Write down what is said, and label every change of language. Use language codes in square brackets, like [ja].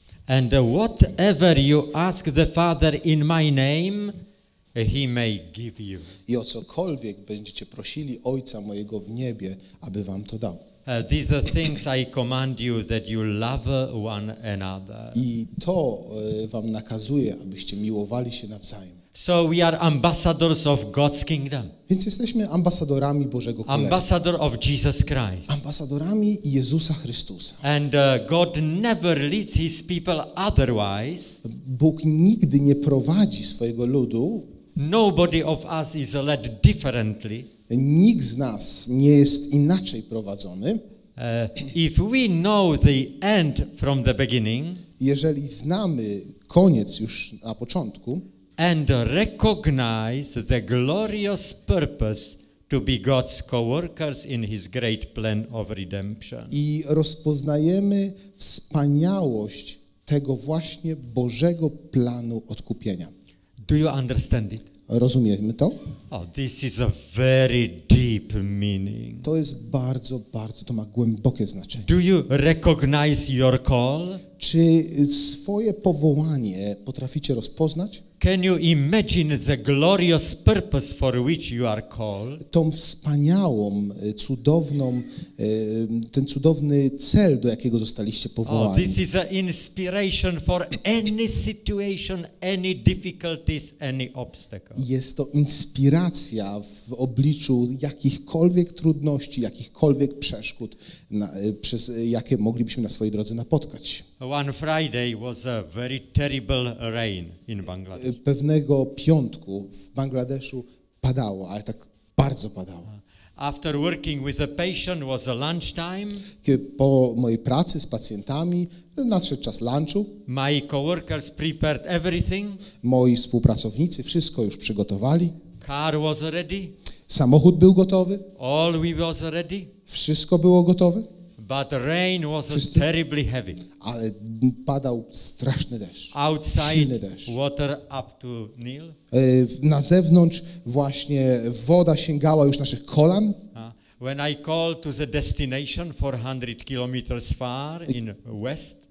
[en] And whatever you ask the Father in my name, he may give you. [pl] I o cokolwiek będziecie prosili Ojca mojego w niebie, aby wam to dał. [en] These are things I command you, that you love one another. [pl] I to wam nakazuję, abyście miłowali się nawzajem. [en] So we are ambassadors of God's kingdom. [pl] Więc jesteśmy ambasadorami Bożego Królestwa. [en] Ambassador of Jesus Christ. [pl] Ambasadorami Jezusa Chrystusa. [en] And God never leads his people otherwise. [pl] Bóg nigdy nie prowadzi swojego ludu. [en] Nobody of us is led differently. [pl] Nikt z nas nie jest inaczej prowadzony. [en] If we know the end from the beginning, [pl] jeżeli znamy koniec już na początku, [en] and recognize the glorious purpose to be God's co-workers in his great plan of redemption. [pl] I rozpoznajemy wspaniałość tego właśnie Bożego planu odkupienia. [en] Do you understand it? [pl] Rozumiemy to? [en] Oh, this is a very deep meaning. [pl] To jest bardzo, bardzo, to ma głębokie znaczenie. [en] Do you recognize your call? [pl] Czy swoje powołanie potraficie rozpoznać? [en] Can you imagine the glorious purpose for which you are called? [pl] Tą wspaniałą, cudowną, ten cudowny cel, do jakiego zostaliście powołani. [en] Oh, this is an inspiration for any situation, any difficulties, any obstacle. [pl] Jest to inspiracja w obliczu jakichkolwiek trudności, jakichkolwiek przeszkód, przez jakie moglibyśmy na swojej drodze napotkać. [en] One Friday was a very terrible rain in Bangladesh. [pl] Pewnego piątku w Bangladeszu padało, ale tak bardzo padało. [en] After working with a patient was a lunchtime. [pl] Po mojej pracy z pacjentami nadszedł czas lunchu. [en] My coworkers prepared everything. [pl] Moi współpracownicy wszystko już przygotowali. [en] Car was ready. [pl] Samochód był gotowy. [en] All we was ready. [pl] Wszystko było gotowe. [en] But rain was terribly heavy. [pl] Ale padał straszny deszcz. [en] Outside deszcz. Water up to kneel. [pl] Na zewnątrz właśnie woda sięgała już naszych kolan. [en] When I called to the destination 400 kilometers far in west.